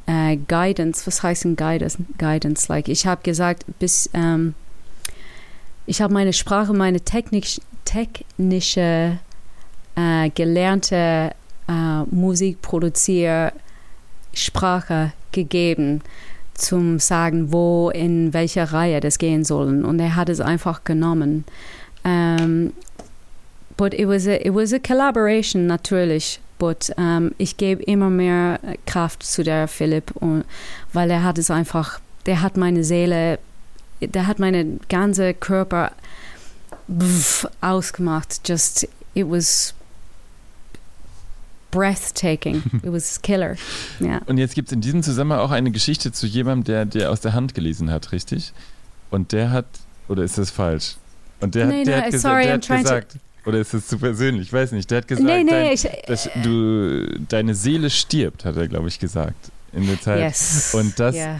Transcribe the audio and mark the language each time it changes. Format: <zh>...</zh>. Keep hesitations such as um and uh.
<de>Äh, Guidance, was heißt denn Guidance? Guidance, like ich habe gesagt, bis, ähm, ich habe meine Sprache, meine technisch, technische äh, gelernte äh, Musikproduzier Sprache gegeben zum sagen, wo in welcher Reihe das gehen soll. Und er hat es einfach genommen.</de> <en>Um, but it was a, it was a collaboration natürlich.</en> <de>But um, ich gebe immer mehr Kraft zu der Philipp, und, weil er hat es einfach. Der hat meine Seele, der hat meine ganze Körper ausgemacht.</de> <en>Just it was breathtaking. It was killer. Yeah.</en> <de>Und jetzt gibt es in diesem Zusammenhang auch eine Geschichte zu jemandem, der dir aus der Hand gelesen hat, richtig? Und der hat, oder ist das falsch? Und der, nein, hat, der nein, hat, ge sorry, der hat gesagt, oder ist es zu persönlich? Ich weiß nicht. Der hat gesagt, nein, dein, ich, dass du, deine Seele stirbt, hat er, glaube ich, gesagt in der Zeit. Yes. Und das, yeah.</de>